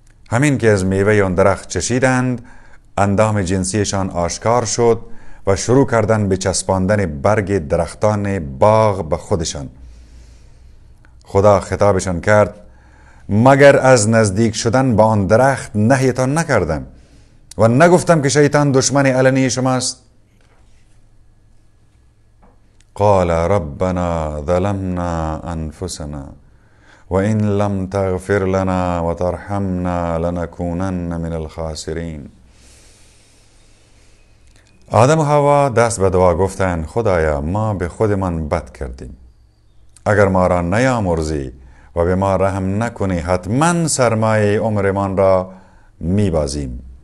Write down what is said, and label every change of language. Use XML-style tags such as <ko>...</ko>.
<fa>همین که از میوه آن درخت چشیدند اندام جنسیشان آشکار شد و شروع کردند به چسباندن برگ درختان باغ به خودشان. خدا خطابشان کرد مگر از نزدیک شدن به آن درخت نهیتان نکردم و نگفتم که شیطان دشمن علنی شماست؟</fa> <ar>قال ربنا ظلمنا أنفسنا وإن لم تغفر لنا وترحمنا لنكونن من الخاسرين.</ar> <fa>آدم و حوا دست به دعا گفتند خدایا ما به خودمان بد کردیم، اگر ما را نیامرزی و به ما رحم نکنی حتما سرمایه عمرمان را میبازیم.</fa>